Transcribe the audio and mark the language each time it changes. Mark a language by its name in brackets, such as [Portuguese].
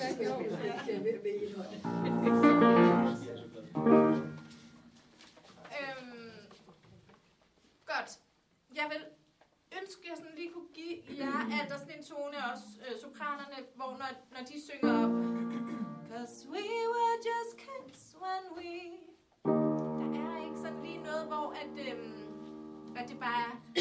[Danish] Jeg vil godt. Jeg vil ønske, at jeg sådan lige kunne give jer, at der er sådan en tone også, sopranerne, hvor når de synger op. [English] Cause we were just kids when we... [Danish] Der er ikke sådan lige noget, hvor at det bare er...